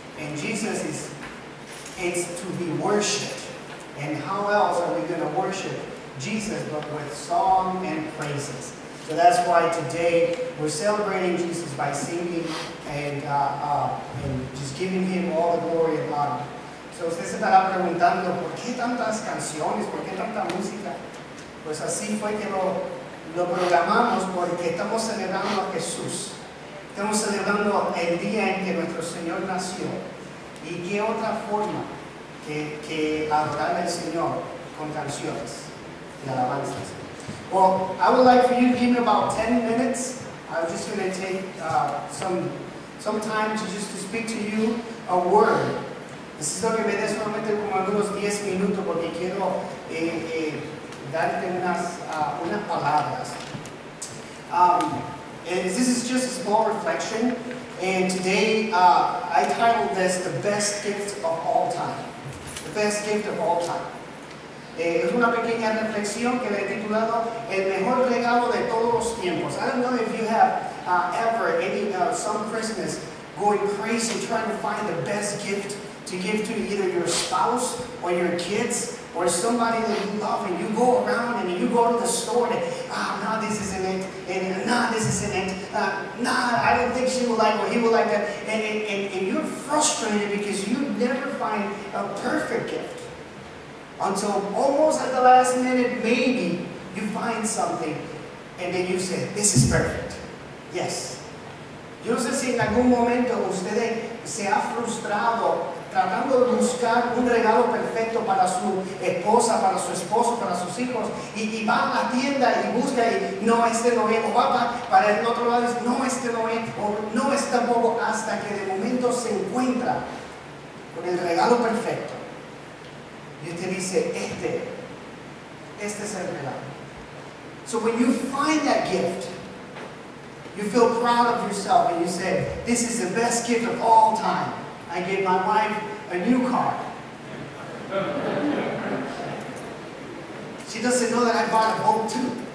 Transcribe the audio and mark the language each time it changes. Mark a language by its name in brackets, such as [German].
[English] And Jesus is, it's to be worshipped. And how else are we going to worship Jesus but with song and praises? So that's why today we're celebrating Jesus by singing and just giving him all the glory and honor. [Spanish] So usted se estará preguntando, ¿por qué tantas canciones? ¿Por qué tanta música? Pues así fue que lo programamos porque estamos celebrando a Jesús. Estamos celebrando el día en que nuestro Señor nació. ¿Y qué otra forma que adorar al Señor con canciones y alabanzas? [English] Well, I would like for you to give me about 10 minutes. I'm just going to take some time to just to speak to you a word. [Spanish] Necesito que me des solamente como algunos 10 minutos porque quiero darte unas palabras. [English] And this is just a small reflection. And today I titled this The Best Gift of All Time. The Best Gift of All Time. [Spanish] Es una pequeña reflexión que le he titulado El Mejor Regalo de Todos los Tiempos. [English] I don't know if you have ever some Christmas going crazy trying to find the best gift to give to either your spouse or your kids or somebody that you love, and you go around and you go to the store and this isn't it, I don't think she will like what he will like that, and you're frustrated because you never find a perfect gift. Until almost at the last minute, maybe you find something and then you say, this is perfect. Yes. [Spanish] Yo no sé si en algún momento usted se ha frustrado tratando de buscar un regalo perfecto para su esposa, para su esposo, para sus hijos, y va a la tienda y busca y no, este no es, o va para el otro lado y dice, no, este no es, o no es tampoco, hasta que de momento se encuentra con el regalo perfecto. Y usted dice, este es el regalo. [English] So when you find that gift, you feel proud of yourself and you say, this is the best gift of all time. I gave my wife a new car. She doesn't know that I bought a boat too.